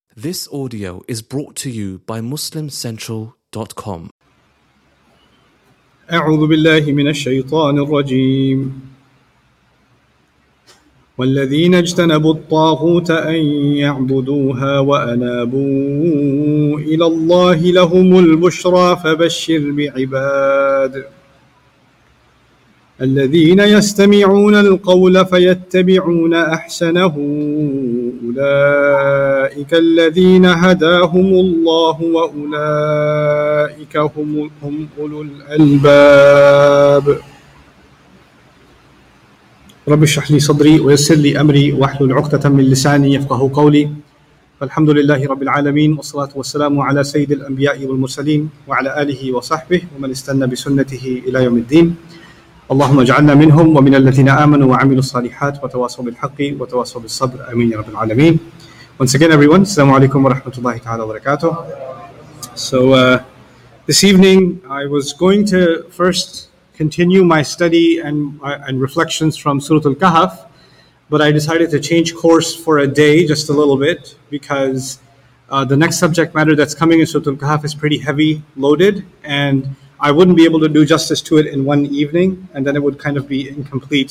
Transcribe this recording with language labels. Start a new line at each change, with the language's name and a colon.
English: This audio is brought to you by MuslimCentral.com.
Arabic: أعوذ بالله من الشيطان الرجيم. والذين اجتنبوا الطاغوت أن يعبدوها وأنابوا إلى الله لهم البشرى فبشر بعباد الذين يستمعون القول فيتبعون أحسنه أولئك الذين هداهم الله وأولئك هم أولو الألباب رب اشرح لي صدري ويسر لي أمري واحلل عقدة من لساني يفقه قولي فالحمد لله رب العالمين والصلاة والسلام على سيد الأنبياء والمرسلين وعلى آله وصحبه ومن استنى بسنته إلى يوم الدين اللهم اجعلنا منهم ومن الذين آمنوا وعملوا الصالحات وتواصوا بالحق وتواصوا بالصبر أمين رب العالمين.
English: Once again everyone,
Arabic: السلام عليكم ورحمة الله تعالى وبركاته.
English: So this evening I was going to first continue my study and reflections from Surah Al-Kahf, but I decided to change course for a day just a little bit because the next subject matter that's coming in Surah Al-Kahf is pretty heavy loaded and I wouldn't be able to do justice to it in one evening, and then it would kind of be incomplete.